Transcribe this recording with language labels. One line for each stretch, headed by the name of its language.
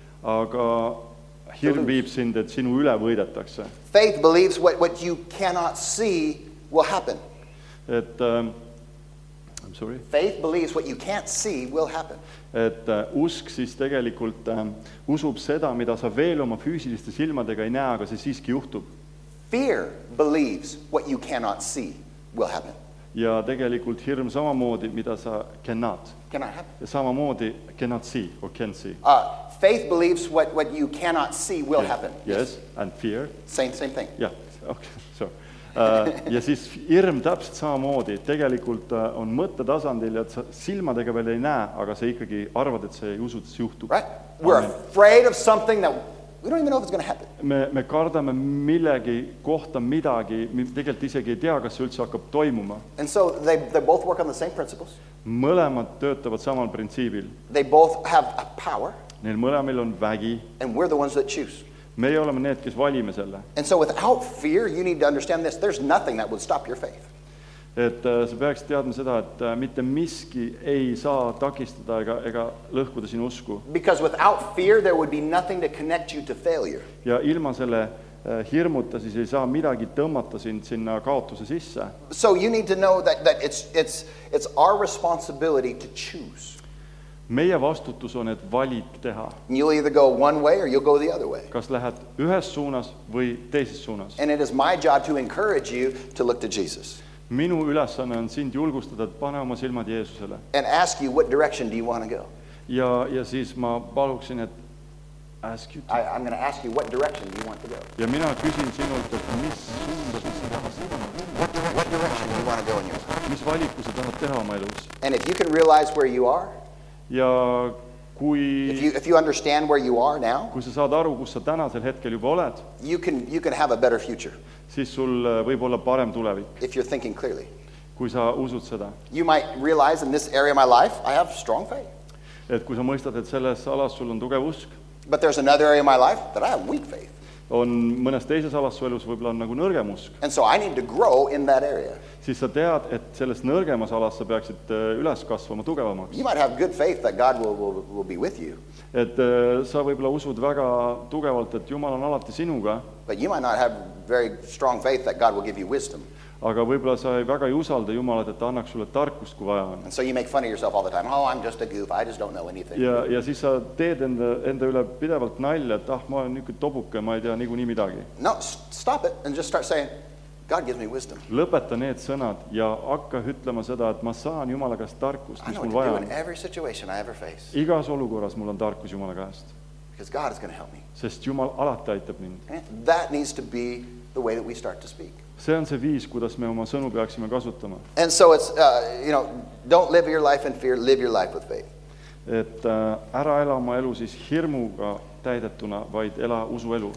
Estonian: Aga hirm viib sind, et sinu üle võidetakse.
English: Faith believes what you cannot see will happen. Et, I'm sorry. Faith believes what you can't see will happen.
Estonian: Et usk siis tegelikult usub seda, mida sa veel oma füüsiliste silmadega ei näe, aga see siiski juhtub.
English: Fear believes what you cannot see will happen.
Estonian: Ja tegelikult hirm samamoodi, mida sa cannot.
English: Cannot happen.
Estonian: Ja samamoodi
English: cannot see or can see. Faith believes what you cannot see will happen. Yes, and fear. Same thing. Yeah, okay, so.
Estonian: ja siis hirm täpselt samamoodi. Tegelikult on mõtte tasandil, et sa silmadega veel ei näe, aga sa ikkagi arvad, et see usutus juhtub.
English: Right? We're afraid of something that we don't even know if it's going to happen.
Estonian: Me kardame millegi kohta midagi, tegelikult isegi ei tea, kas see üldse hakkab toimuma.
English: And so they both work on the same principles.
Estonian: Mõlemad töötavad samal printsiibil.
English: They both have a power.
Estonian: Neil mõlemil on vägi.
English: And we're the ones that choose.
Estonian: Me oleme need, kes valime selle.
English: And so without fear, you need to understand this. There's nothing that will stop your faith.
Estonian: Et sa peaksid teadma seda, et mitte miski ei saa takistada ega lõhkuda sinu usku.
English: Because without fear, there would be nothing to connect you to failure.
Estonian: Ja ilma selle hirmuta, siis ei saa midagi tõmmata sinna kaotuse sisse.
English: So you need to know that it's our responsibility to choose.
Estonian: Meie vastutus on, et valik teha.
English: You'll either go one way or you'll go the other way.
Estonian: Kas lähed ühes suunas või teises suunas.
English: And it is my job to encourage you to look to Jesus.
Estonian: Minu ülesanne on sind julgustada, et pane oma silmad Jeesusele.
English: And ask you, what direction do you want to go?
Estonian: Ja siis ma paluksin, et
English: ask you to. I'm going to ask you, what direction do you want to go?
Estonian: Ja mina küsin sinult, et mis suundas sa tahad minna?
English: What direction do you want to go in your life?
Estonian: Mis valiku sa tahad teha oma elus?
English: And if you can realize where you are,
Estonian: ja kui
English: if you understand where you are now,
Estonian: kui sa saad aru, kus sa tänasel hetkel juba oled,
English: you can have a better future.
Estonian: Siis sul võib olla parem tulevik.
English: If you're thinking clearly.
Estonian: Kui sa usud seda.
English: You might realize in this area of my life, I have strong faith.
Estonian: Et kui sa mõistad, et selles alas sul on tugev usk.
English: But there's another area of my life that I have weak faith.
Estonian: On mõnes teises alas su elus võib-olla on nagu nõrgem usk.
English: And so I need to grow in that area.
Estonian: Siis sa tead, et selles nõrgemas alas sa peaksid üles kasvama tugevamaks.
English: You might have good faith that God will be with you.
Estonian: Et sa võib-olla usud väga tugevalt, et Jumal on alati sinuga.
English: But you might not have very strong faith that God will give you wisdom.
Estonian: Aga võib-olla sa ei väga ei usalda Jumalat, et ta annaks sulle tarkust, kui vaja on.
English: And so you make fun of yourself all the time. Oh, I'm just a goof. I just don't know anything.
Estonian: Ja siis sa teed enda üle pidevalt nalja, et ma olen nüüd tobuke, ma ei tea nii kui nii midagi.
English: No, stop it and just start saying, God gives me wisdom.
Estonian: Lõpeta need sõnad ja hakka ütlema seda, et ma saan Jumala käest tarkust, mis mul vaja on.
English: I know what to do in every situation I ever face.
Estonian: Igas olukorras mul on tarkus Jumala käest.
English: Because God is going to help me.
Estonian: Sest Jumal alati aitab mind.
English: And that needs to be the way that we start to speak.
Estonian: See on see viis, kuidas me oma sõnu peaksime kasutama.
English: And so it's, you know, don't live your life in fear, live your life with faith.
Estonian: Et ära ela oma elu siis hirmuga täidetuna, vaid ela usu elu.